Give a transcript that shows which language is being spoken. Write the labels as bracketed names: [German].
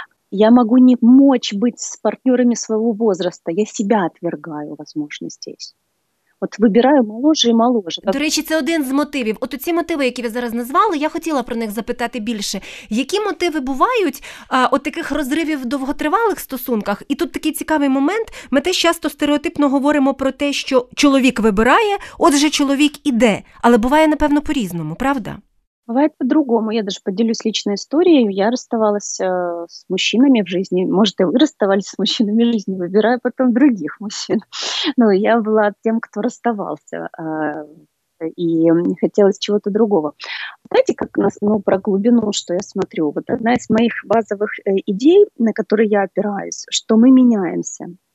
[Russian] Я могу не мочь быть с партнерами своего возраста. Я себя отвергаю, возможно, здесь. [Ukrainian] От вибираю моложе і моложе. До речі, це один з мотивів. От ці мотиви, які ви зараз назвали, я хотіла про них запитати більше. Які мотиви бувають от таких розривів в довготривалих стосунках? І тут такий цікавий момент. Ми теж часто стереотипно говоримо про те, що чоловік вибирає, отже чоловік іде. Але буває, напевно, по-різному, правда? [Russian] Бывает по-другому. Я даже поделюсь личной историей. Я расставалась с мужчинами в жизни. Может, и вы расставались с мужчинами в жизни, выбирая потом других мужчин. Но я была тем, кто расставался. И мне хотелось чего-то другого. Знаете, как ну, про глубину, что я смотрю? Вот одна из моих базовых идей, на которые я опираюсь, что мы меняемся.